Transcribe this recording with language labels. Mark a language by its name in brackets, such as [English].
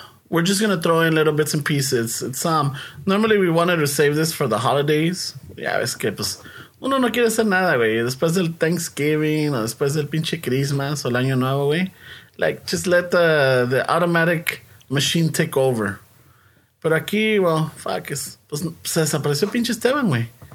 [English] We're just going to throw in little bits and pieces. It's normally we wanted to save this for the holidays. [Spanish] Yeah, es que pues uno no quiere hacer nada, güey. Después del Thanksgiving, o después del pinche Christmas, o el año nuevo, güey. [English] Like, just let the automatic machine take over. [Spanish] Pero aquí, [English] well, fuck, [Spanish] se desapareció pinche Esteban, güey.